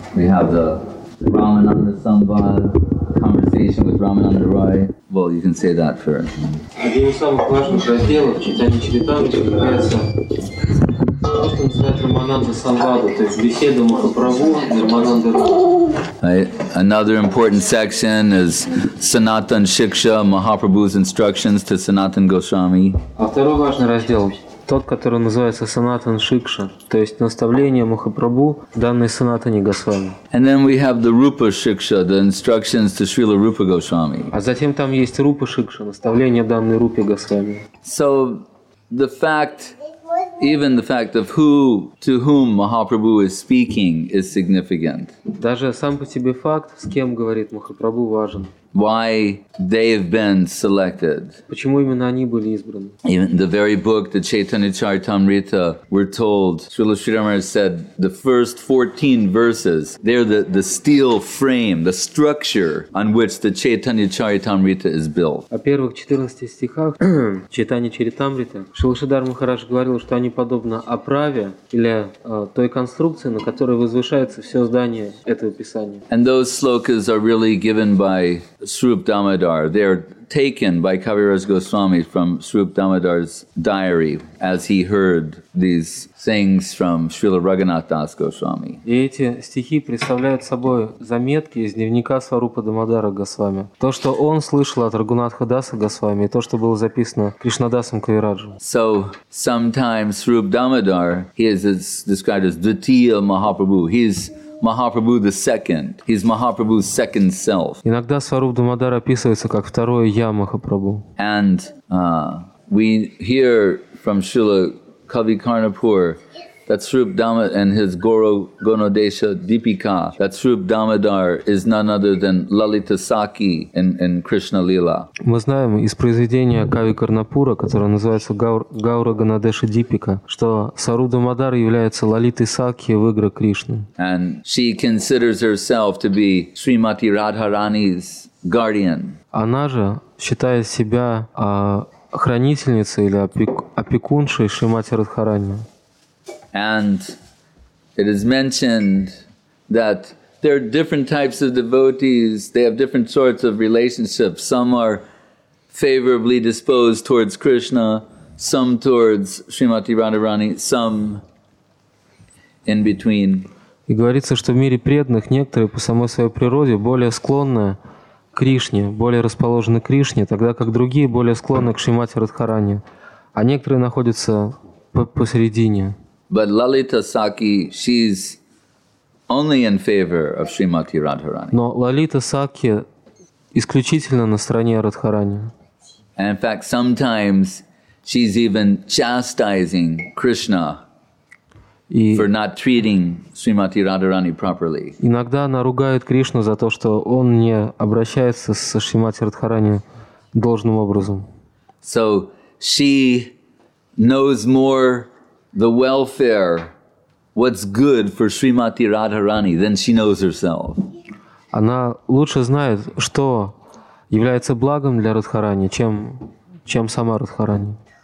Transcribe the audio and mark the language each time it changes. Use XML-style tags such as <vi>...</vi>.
<en>We have the Ramananda Sambhava, conversation with Ramananda Roy. Well, you can say that for.</en> <ru>Один из самых важных разделов Чайтанья Чаритамриты является то, что называется Рамананда Самбхава, то есть беседа Махапрабху и Рамананда Рой.</ru> <en>Another important section is Sanatan Shiksha, Mahaprabhu's instructions to Sanatan Goswami.</en> <ru>А второй важный раздел. Тот, который называется Санатан Шикша, то есть наставление Махапрабху данной Санатане Госвами.</ru> <en>And then we have the Rupa Shiksha, the instructions to Srila Rupa Goswami.</en> <ru>А затем там есть Рупа Шикша, наставление данной Рупе Госвами.</ru> <en>So the fact, even the fact of who to whom Mahaprabhu is speaking is significant.</en> <ru>Даже сам по себе факт, с кем говорит Махапрабху, важен.</ru> <en>Why they have been selected.</en> <ru>Почему именно они были избраны?</ru> <en>Even the very book, the Chaitanya Charitamrita, we're told, Srila Sridhar said, the first 14 verses, they're the steel frame, the structure on which the Chaitanya Charitamrita is built.</en> <ru>О первых 14 стихах Chaitanya Charitamrita, Srila Sridhar Maharaj говорил, что они подобны оправе или той конструкции, на которой возвышается все здание этого писания.</ru> <en>And those slokas are really given by Srup Damodar. They are taken by Kaviraj Goswami from Srup Damodar's diary as he heard these things from Srila Raghunath Das Goswami.</en> <ru>И эти стихи представляют собой заметки из дневника Сварупа Дамодара Госвами. То, что он слышал от Рагунатха Даса Госвами, и то, что было записано Кришнадасом Кавираджем.</ru> <en>So, sometimes Srup Damodar, he is described as Dvitiya Mahaprabhu. He's Mahaprabhu the second. He's Mahaprabhu's second self.</en> <ru>Иногда Сваруп Дамодар описывается как второе я Махапрабху.</ru> <en>And we hear from Srila Kavi Karnapur that Srup Damodar and his Goro Gonodesha Deepika, that Srup Damodar is none other than Lalita Sakhi in Krishna Lila.</en> <ru>Мы знаем из произведения Кави Карнапура, которое называется Гаура Ганадеша Дипика, что Сваруп Дамодар является Лалитой Сакхи в играх Кришны.</ru> <en>And she considers herself to be Srimati Radharani's guardian.</en> <ru>Она же считает себя хранительницей или опекуншей Шримати Радхарани.</ru> <en>And it is mentioned that there are different types of devotees, they have different sorts of relationships. Some are favorably disposed towards Krishna, some towards Srimati Radharani, some in between.</en> <ru>И говорится, что в мире преданных некоторые по самой своей природе более склонны к Кришне, более расположены к Кришне, тогда как другие более склонны к Шримати Радхарани, а некоторые находятся посередине.</ru> <en>But Lalita Sakhi, she's only in favor of Srimati Radharani.</en> <ru>Но Лалита Сакхи исключительно на стороне Радхарани.</ru> <en>And in fact, sometimes she's even chastising Krishna for not treating Srimati Radharani properly.</en> <ru>Иногда она ругает Кришну за то, что он не обращается со Шримати Радхарани должным образом.</ru> <en>So she knows more the welfare, what's good for Srimati Radharani, then she knows herself.</en> <ru>Она лучше знает, что является благом для Радхарани, чем сама Радхарани.</ru>